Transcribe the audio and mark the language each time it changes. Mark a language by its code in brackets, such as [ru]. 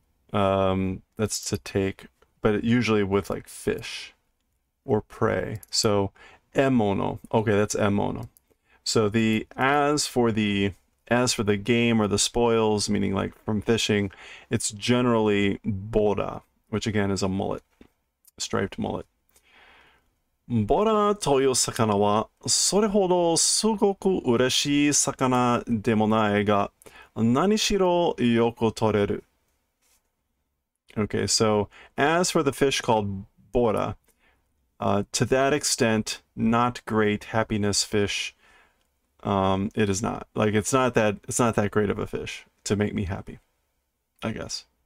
[en] That's to take, but usually with like fish or prey. So emono. Okay, that's emono. So the as for the game or the spoils, meaning like from fishing, it's generally bora, which again is a mullet, striped mullet. [ja] Bora という魚はそれほどすごく嬉しい魚でもないが、何しろよく取れる。 [en] Okay, so as for the fish called bora, to that extent, not great happiness fish. It is not like it's not that great of a fish to make me happy, I guess.